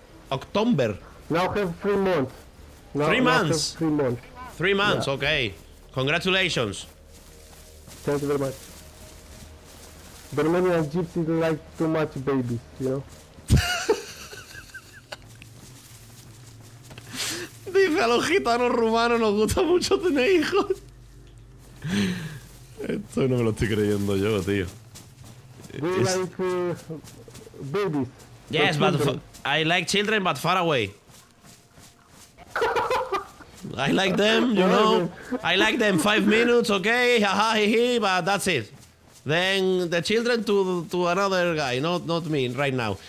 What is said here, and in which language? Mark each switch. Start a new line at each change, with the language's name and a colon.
English: October. Now have 3 months. Now, 3 months. Now have 3 months. 3 months, yeah. Okay. Congratulations. Thank you very much. But many of gypsies like too much babies, you know?
Spanish: Dice, a los gitanos rumanos nos gusta mucho tener hijos. Esto no me lo estoy creyendo yo, tío.
English: Do you like babies? Yes, but I like children, but far away. I like them, you know. I like them 5 minutes, okay, haha, hehe, but that's it. Then the children to another guy, not me right now.